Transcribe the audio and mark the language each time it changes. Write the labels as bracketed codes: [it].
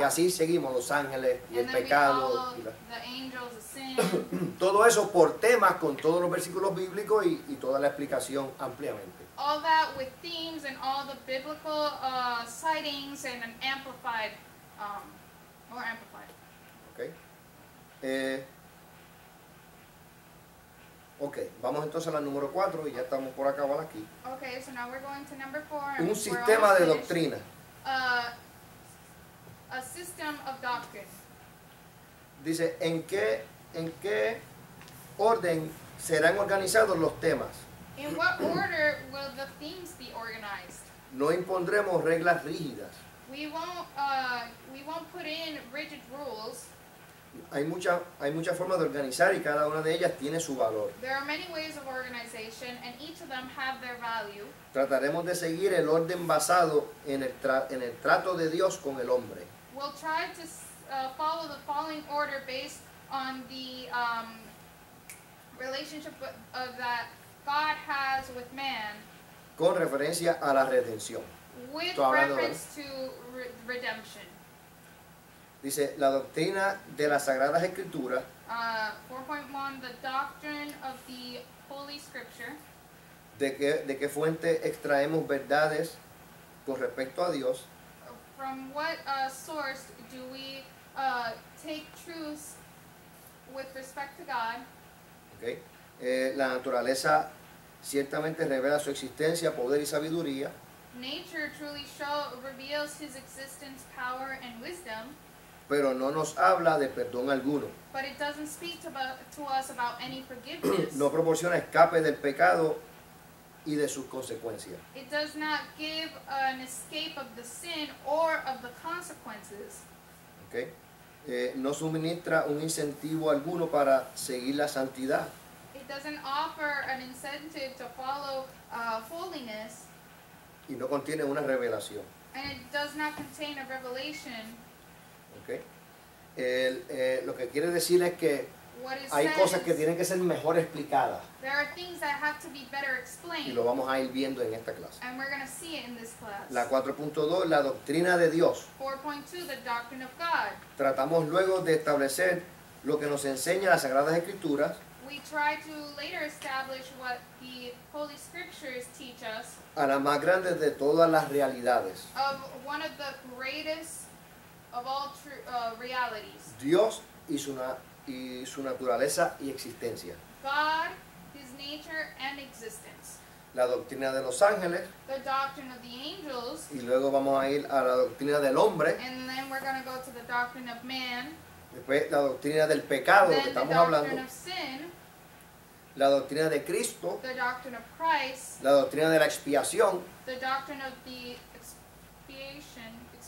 [es] Y así seguimos los ángeles y [en] and [es] el pecado. [en] The angels, the sin. [es] Todo eso por temas con todos los versículos bíblicos y toda la explicación ampliamente. [en] All that with themes and all the biblical sightings and an amplified more amplified. Okay. [es] Okay, vamos entonces a la número 4 y ya estamos por acabar aquí. [en] Okay, so now we're going to number 4. [es] Un sistema de doctrina. [en] A system of doctrine. [es] Dice, ¿en qué orden serán organizados los temas? [en] In what order will the themes be organized? [es] No impondremos reglas rígidas. [en] We won't put in rigid rules. [es] Hay muchas formas de organizar y cada una de ellas tiene su valor. [en] There are many ways of organization and each of them have their value. [es] Trataremos de seguir el orden basado en el trato de Dios con el hombre. [en] We'll try to follow the following order based on the relationship of that God has with man. [es] Con referencia a la redención. [en] With reference to redemption. [es] Dice, la doctrina de las Sagradas Escrituras. [en] 4.1, the doctrine of the Holy Scripture. [es] ¿De qué fuente extraemos verdades con respecto a Dios? [en] From what source do we take truths with respect to God? Okay. [es] La naturaleza ciertamente revela su existencia, poder y sabiduría. [en] Nature truly reveals his existence, power, and wisdom. [es] Pero no nos habla de perdón alguno. [en] But it doesn't speak to us about any forgiveness. [es] No proporciona escape del pecado y de sus consecuencias. [en] It does not give an escape of the sin or of the consequences. Okay. [es] No suministra un incentivo alguno para seguir la santidad. [en] It doesn't offer an incentive to follow holiness. [es] Y no contiene una revelación. [en] And it does not contain a revelation. Okay. [es] Lo que quiere decir es que hay cosas que tienen que ser mejor explicadas. [en] There are things that have to be better explained. [es] Y lo vamos a ir viendo en esta clase. [en] And we're going to see it in this class. [es] La 4.2, la doctrina de Dios. [en] 4.2, the doctrine of God. [es] Tratamos luego de establecer lo que nos enseña las Sagradas Escrituras. [en] We try to later establish what the Holy Scriptures teach us. [es] A la más grande de todas las realidades. [en] Of one of the greatest of all realities. [es] Dios y su naturaleza y existencia. [en] God, his nature and existence. [es] La doctrina de los ángeles. [en] The doctrine of the angels. [es] Y luego vamos a ir a la doctrina del hombre. [en] And then we're going to go to the doctrine of man. [es] Después la doctrina del pecado, [en] then [es] lo que estamos hablando. [en] Of sin. [es] La doctrina de Cristo. [en] The doctrine of Christ. [es] La doctrina de la expiación. [en] The doctrine of the expiation.